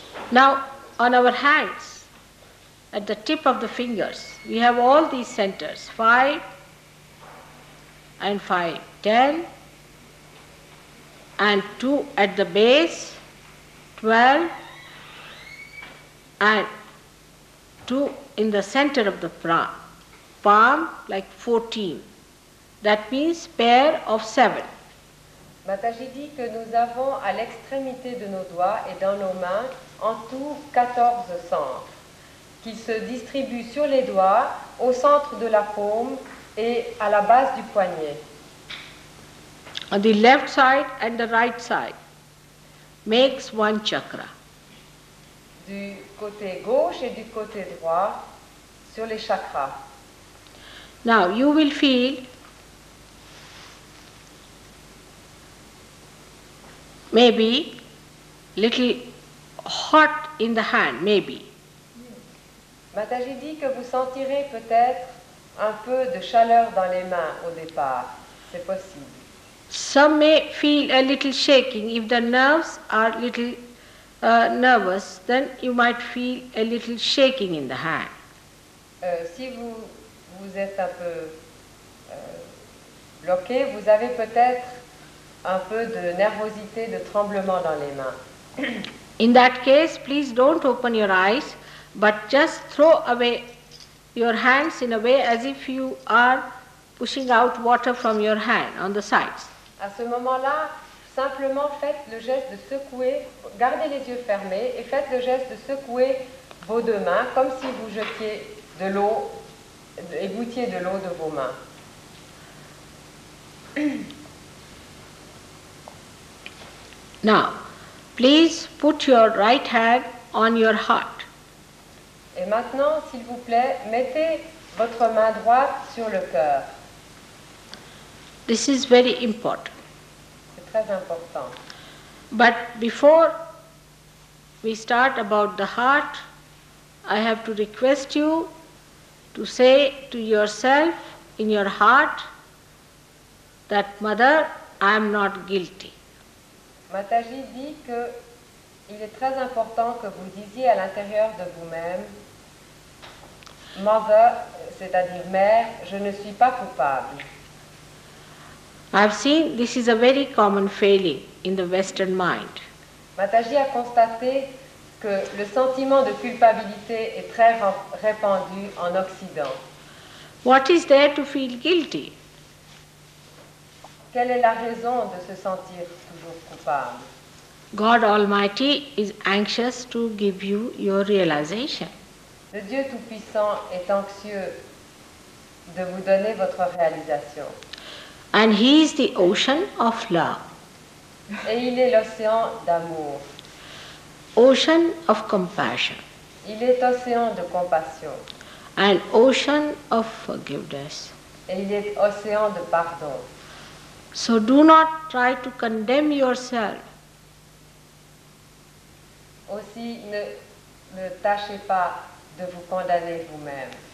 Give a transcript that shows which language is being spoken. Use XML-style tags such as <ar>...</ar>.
<en>Now, on our hands, at the tip of the fingers, we have all these centers, 5 and 5, 10, and 2 at the base, 12, and 2 in the center of the palm, like 14. That means pair of 7.</en> <fr>Mataji dit que nous avons à l'extrémité de nos doigts et dans nos mains en tout 14 centres qui se distribuent sur les doigts, au centre de la paume et à la base du poignet.</fr> <en>On the left side and the right side makes one chakra.</en> <fr>Du côté gauche et du côté droit sur les chakras.</fr> <en>Now you will feel maybe little hot in the hand, maybe.</en> <fr>Mataji dit que vous sentirez peut-être un peu de chaleur dans les mains au départ. C'est possible.</fr> <en>Some may feel a little shaking. If the nerves are little nervous, then you might feel a little shaking in the hand.</en> <fr>Si vous êtes un peu bloqué, vous avez peut-être un peu de nervosité, de tremblement dans les mains.</fr> <en>In that case, please don't open your eyes, but just throw away your hands in a way as if you are pushing out water from your hand on the sides.</en> <fr>À ce moment-là, simplement faites le geste de secouer, gardez les yeux fermés et faites le geste de secouer vos deux mains comme si vous jetiez de l'eau et goûtiez de l'eau de vos mains.</fr> <en>Now, please put your right hand on your heart.</en> <fr>Et maintenant, s'il vous plaît, mettez votre main droite sur le cœur.</fr> <en>This is very important.</en> <fr>C'est très important.</fr> <en>But before we start about the heart, I have to request you to say to yourself in your heart that, Mother, I am not guilty.</en> <fr>Mataji dit que il est très important que vous disiez à l'intérieur de vous-même, Mother, c'est-à-dire Mère, je ne suis pas coupable.</fr> <en>I've seen this is a very common failing in the Western mind.</en> <fr>Mataji a constaté que le sentiment de culpabilité est très répandu en Occident.</fr> <en>What is there to feel guilty?</en> <fr>Quelle est la raison de se sentir toujours coupable?</fr> <en>God Almighty is anxious to give you your realization.</en> <fr>Le Dieu Tout-Puissant est anxieux de vous donner votre réalisation.</fr> <en>And he is the ocean of love.</en> <fr>Et il est l'océan d'amour.</fr> <en>Ocean of compassion.</en> <fr>Il est océan de compassion.</fr> <en>And ocean of forgiveness.</en> <fr>Et il est océan de pardon.</fr> <en>So do not try to condemn yourself.</en> <fr>Aussi, ne tâchez pas de vous condamner vous-même.</fr>